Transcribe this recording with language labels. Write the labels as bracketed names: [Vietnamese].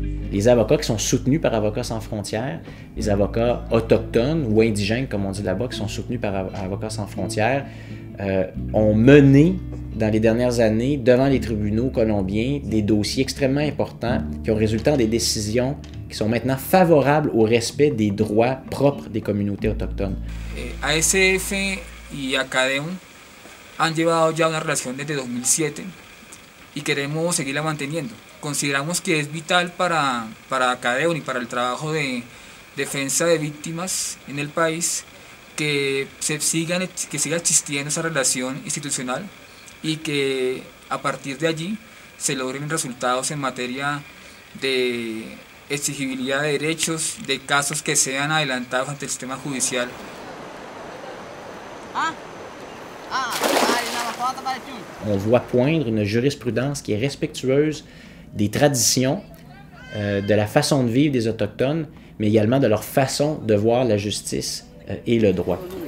[French] Les avocats qui sont soutenus par Avocats sans frontières, les avocats autochtones ou indigènes, comme on dit là-bas, qui sont soutenus par Avocats sans frontières, ont mené dans les dernières années devant les tribunaux colombiens des dossiers extrêmement importants qui ont résulté en des décisions qui sont maintenant favorables au respect des droits propres des communautés autochtones. ASF et ACADEM ont déjà eu une relation depuis 2007 et nous voulons la maintenir. [Spanish] Consideramos que es vital para ACADEUN y para el trabajo de defensa de víctimas en el país que siga existiendo esa relación institucional y que a partir de allí se logren resultados en materia de exigibilidad de derechos, de casos que sean adelantados ante el sistema judicial. [French] On voit poindre une jurisprudence qui est respectueuse des traditions, de la façon de vivre des Autochtones, mais également de leur façon de voir la justice et le droit.